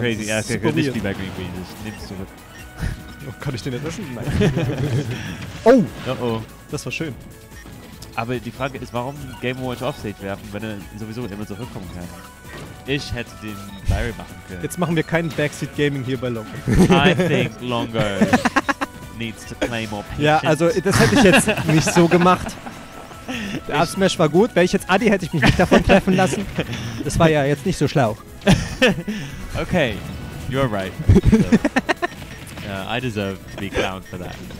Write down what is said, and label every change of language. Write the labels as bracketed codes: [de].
[de] Ja, das ist crazy. Ja, okay, nicht wie bei Green Greens. Ich nehm's zurück. Oh, kann ich den jetzt essen? Nein. Oh! Das war schön. Aber die Frage ist, warum Game Watch Offstage werfen, wenn er sowieso immer zurückkommen kann? Ich hätte den Barry machen können. Jetzt machen wir kein Backseat Gaming hier bei Longo. [en] I think Longo needs to play more patience. [de] Ja, also das hätte ich jetzt nicht so gemacht. Der Upsmash war gut. Wäre ich jetzt Adi, hätte ich mich nicht davon treffen lassen. Das war ja jetzt nicht so schlau. [en] Okay, you're right. I deserve to be clowned for that.